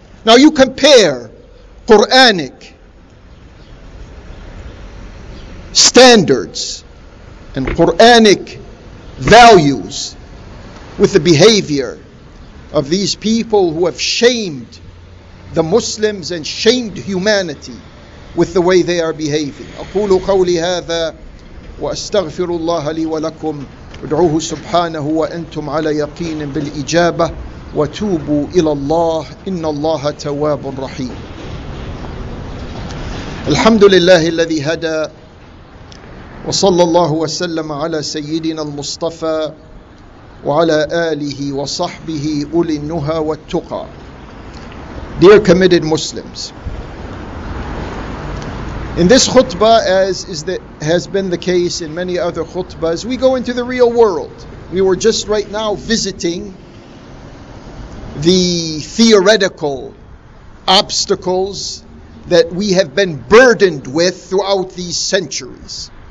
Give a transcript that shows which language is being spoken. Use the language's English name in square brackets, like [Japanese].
[English] Now you compare Quranic standards and Quranic values with the behavior of these people who have shamed the Muslims and shamed humanity with the way they are behaving. [Arabic] أقول قولي هذا وأستغفر الله لي ولكم ادعوه سبحانه وأنتم على يقين بالإجابة وتوبوا إلى الله إن الله تواب رحيم. الحمد لله الذي هدى وصلى الله وسلم على سيدنا المصطفى وعلى آله وصحبه أولي النهى والتقى. [English] Dear committed Muslims, in this khutbah, as is the, has been the case in many other khutbahs, we go into the real world. We were just right now visiting the theoretical obstacles that we have been burdened with throughout these centuries.